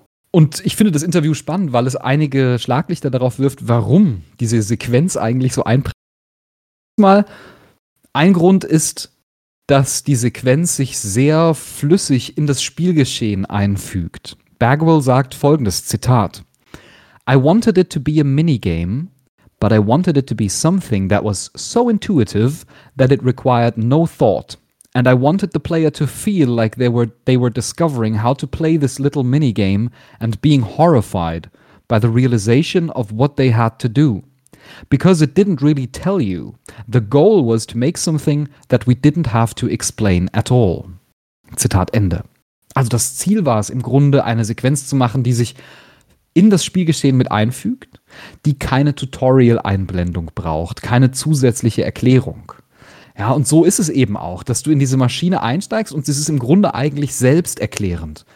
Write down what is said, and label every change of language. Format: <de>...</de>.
<de>Und ich finde das Interview spannend, weil es einige Schlaglichter darauf wirft, warum diese Sequenz eigentlich so einprägsam ist. Ein Grund ist, dass die Sequenz sich sehr flüssig in das Spielgeschehen einfügt. Bagwell sagt folgendes, Zitat:</de> <en>I wanted it to be a minigame, but I wanted it to be something that was so intuitive that it required no thought. And I wanted the player to feel like they were discovering how to play this little minigame and being horrified by the realization of what they had to do. Because it didn't really tell you. The goal was to make something that we didn't have to explain at all.</en> <de>Zitat Ende. Also das Ziel war es im Grunde, eine Sequenz zu machen, die sich in das Spielgeschehen mit einfügt, die keine Tutorial-Einblendung braucht, keine zusätzliche Erklärung. Ja, und so ist es eben auch, dass du in diese Maschine einsteigst und es ist im Grunde eigentlich selbsterklärend.</de>